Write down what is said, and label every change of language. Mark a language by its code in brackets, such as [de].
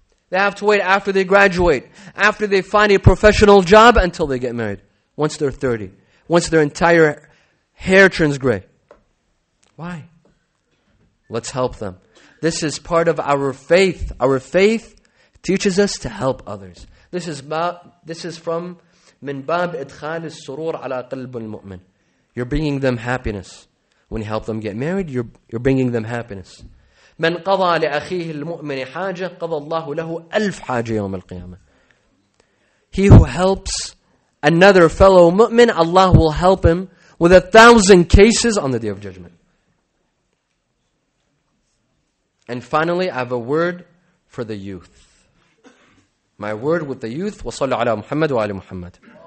[en] They have to wait after they graduate, after they find a professional job until they get married, once they're 30, once their entire hair turns gray. Why? Let's help them. This is part of our faith. Our faith teaches us to help others. This is from [ar] من باب إدخال السرور على قلب المؤمن. [en] You're bringing them happiness. When you help them get married, you're bringing them happiness. [ar] من قضى لأخيه المؤمن حاجة قضى الله له ألف حاجة يوم القيامة. [en] He who helps another fellow mu'min, Allah will help him with 1,000 cases on the Day of Judgment. And finally, I have a word for the youth. My word with the youth, [ar] وصلى على محمد وعلى محمد.